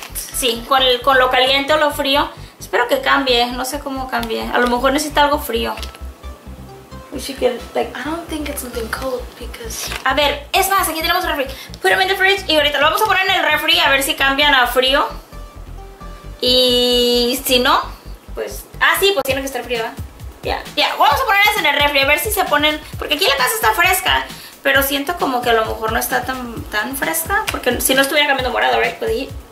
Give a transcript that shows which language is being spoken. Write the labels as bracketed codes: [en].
[es] Sí, con lo caliente o lo frío. Espero que cambie, no sé cómo cambie. A lo mejor necesita algo frío. [en] We should get it, like, I don't think it's something cold because. [es] A ver, es más, aquí tenemos el refri. [en] Put them in the fridge [es] y ahorita lo vamos a poner en el refri a ver si cambian a frío. Y si no, pues. Ah, sí, pues tiene que estar frío, ¿eh? Vamos a ponerlas en el refri, a ver si se ponen, porque aquí la casa está fresca, pero siento como que a lo mejor no está tan fresca, porque si no estuviera cambiando morado, ¿verdad? Pues sí.